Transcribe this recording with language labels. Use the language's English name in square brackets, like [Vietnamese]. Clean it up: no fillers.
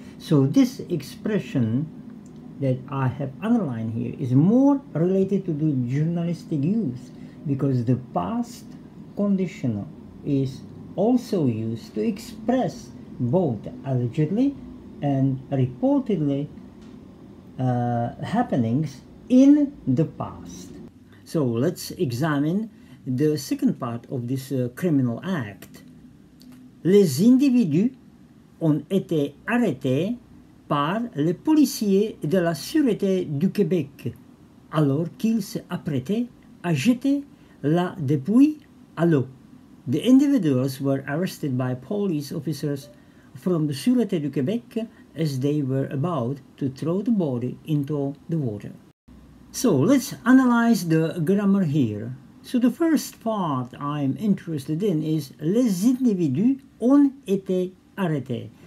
[English] So this expression that I have underlined here is more related to the journalistic use because the past conditional is also used to express both allegedly and reportedly happenings in the past. So let's examine the second part of this criminal act. [French] Les individus ont été arrêtés par les policiers de la Sûreté du Québec alors qu'ils s'apprêtaient à jeter la dépouille à l'eau. [English] The individuals were arrested by police officers from the Sûreté du Québec as they were about to throw the body into the water. So let's analyze the grammar here. So the first part I'm interested in is [French] les individus ont été arrêté.